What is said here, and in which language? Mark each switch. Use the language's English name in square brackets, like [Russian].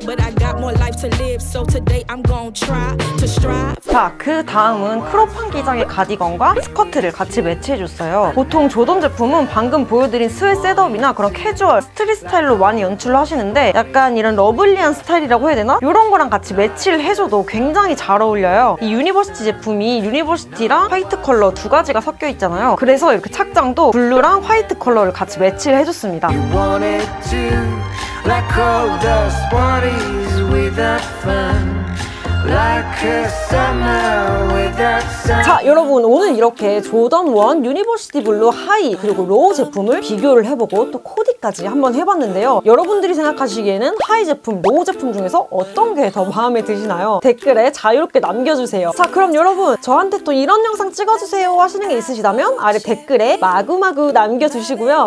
[English] But I got more life to live, so today I'm gonna try to strive. [Korean] 자, 그 다음은 크롭한 기장의 가디건과 스커트를 같이 매치해줬어요. 보통 조던 제품은 방금 보여드린 스웻 셋업이나 그런 캐주얼, 스트릿 스타일로 많이 연출을 하시는데 약간 이런 러블리한 스타일이라고 해야 되나? 이런 거랑 같이 매치를 해줘도 굉장히 잘 어울려요. 이 유니버시티 제품이 유니버시티랑 화이트 컬러 두 가지가 섞여 있잖아요. 그래서 이렇게 착장도 블루랑 화이트 컬러를 같이 매치를 해줬습니다. [English] You wanted to let go those worries without fun. Like a summer without sun. [Korean] 자, 여러분, 오늘 이렇게 조던 1 유니버시티 블루 하이 그리고 로우 제품을 비교를 해보고 또 코디까지 한번 해봤는데요. 여러분들이 생각하시기에는 하이 제품, 로우 제품 중에서 어떤 게 더 마음에 드시나요? 댓글에 자유롭게 남겨주세요. 자, 그럼 여러분, 저한테 또 이런 영상 찍어주세요 하시는 게 있으시다면 아래 댓글에 마구마구 남겨주시고요.